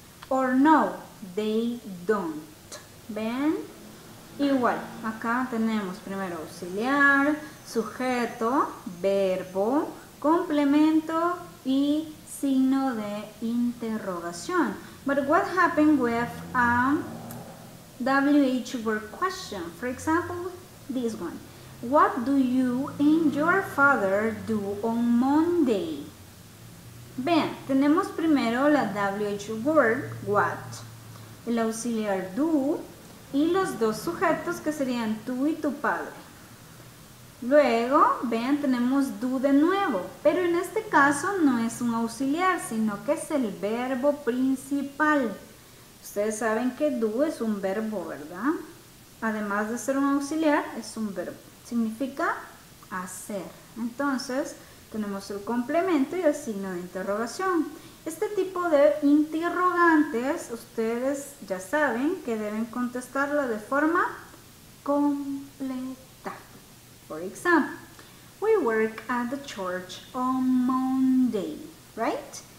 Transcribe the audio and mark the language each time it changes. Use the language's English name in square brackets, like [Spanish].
[English] Or no, they don't. ¿Ven? [Spanish] Igual, acá tenemos primero auxiliar, sujeto, verbo, complemento y signo de interrogación. [English] But what happened with a WH word question? For example, this one. What do you and your father do on Monday? [Spanish] Bien, tenemos primero la WH word, what, el auxiliar do, y los dos sujetos que serían tú y tu padre. Luego, vean, tenemos do de nuevo, pero en este caso no es un auxiliar, sino que es el verbo principal. Ustedes saben que do es un verbo, ¿verdad? Además de ser un auxiliar, es un verbo. Significa hacer. Entonces, tenemos el complemento y el signo de interrogación. Este tipo de interrogantes, ustedes ya saben que deben contestarlo de forma completa. [English] For example, we work at the church on Monday, right?